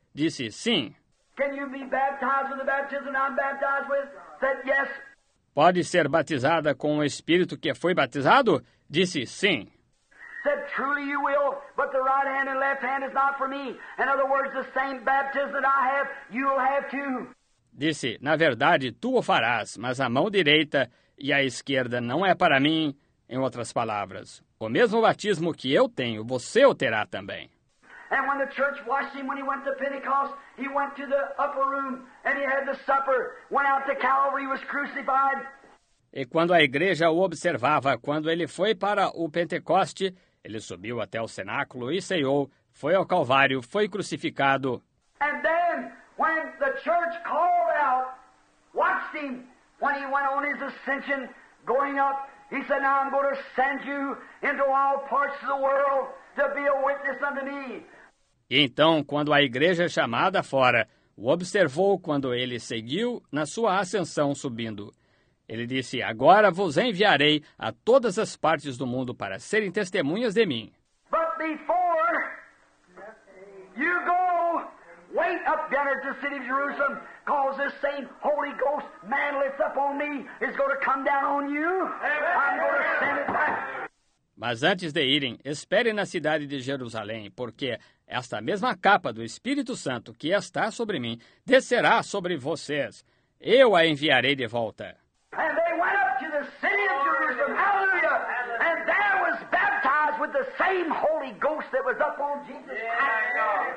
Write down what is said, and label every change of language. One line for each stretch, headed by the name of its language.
Portuguese: Disse, sim.
English: Can you be baptized with the baptism I'm baptized with? Said, yes.
Portuguese: Pode ser batizada com o Espírito que foi batizado? Disse, sim.
English: Said, truly you will, but the right hand and left hand is not for me. In other words, the same baptism that I have, you will have too.
Portuguese: Disse, na verdade, tu o farás, mas a mão direita e a esquerda não é para mim. Em outras palavras, o mesmo batismo que eu tenho, você o terá também.
English: And when the church washed him, when he went to Pentecost, he went to the upper room and he had the supper, went out to Calvary, was crucified.
Portuguese: E quando a igreja o observava, quando ele foi para o Pentecoste, ele subiu até o cenáculo e ceou, foi ao Calvário, foi crucificado.
English: And then, when the church called out, watched him, when he went on his ascension, going up, he said, now I'm going to send you into all parts of the world. To be a witness unto me.
Portuguese: E então, quando a igreja chamada fora, o observou quando ele seguiu na sua ascensão subindo. Ele disse, agora vos enviarei a todas as partes do mundo para serem testemunhas de mim.
English: But before you go, wait up down at the city of Jerusalem, because this same Holy Ghost man lifts up on me is going to come down on you. I'm going to send it back.
Portuguese: Mas antes de irem, esperem na cidade de Jerusalém, porque esta mesma capa do Espírito Santo que está sobre mim descerá sobre vocês. Eu a enviarei de volta.
English: And they went up to the city of Jerusalem. Hallelujah. And there was baptized with the same Holy Ghost that was up on Jesus Christ.